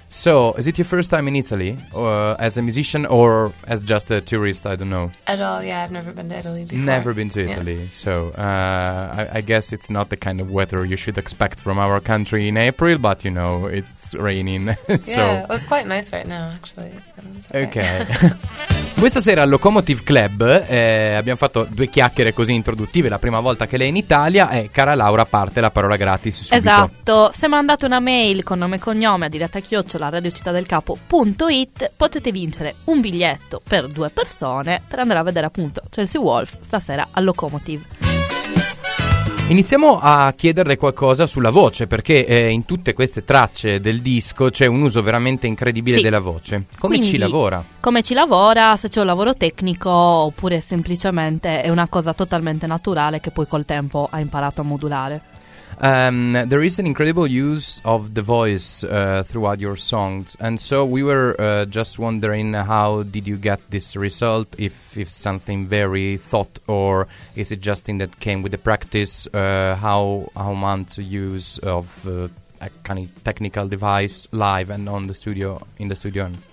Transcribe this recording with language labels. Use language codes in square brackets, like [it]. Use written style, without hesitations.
[en] So, is it your first time in Italy as a musician or as just a tourist? I don't know. At all, yeah. I've never been to Italy before. Never been to Italy. Yeah. So, I guess it's not the kind of weather you should expect from our country in April, but, you know, it's raining. So. Yeah, well, it's quite nice right now, actually. Okay. [it] Questa sera al Locomotive Club abbiamo fatto due chiacchiere così introduttive, la prima volta che lei è in Italia e cara Laura parte la parola gratis subito. Esatto, se mandate una mail con nome e cognome a diretta@radiocittadelcapo.it potete vincere un biglietto per due persone per andare a vedere appunto Chelsea Wolf stasera al Locomotive. Iniziamo a chiederle qualcosa sulla voce, perché in tutte queste tracce del disco c'è un uso veramente incredibile della voce. Come Quindi, ci lavora? Come ci lavora, se c'è un lavoro tecnico oppure semplicemente è una cosa totalmente naturale che poi col tempo ha imparato a modulare. [en] There is an incredible use of the voice throughout your songs, and so we were just wondering how did you get this result, if something very thought or is it just thing that came with the practice, how much use of a kind of technical device live and on the studio, in the studio?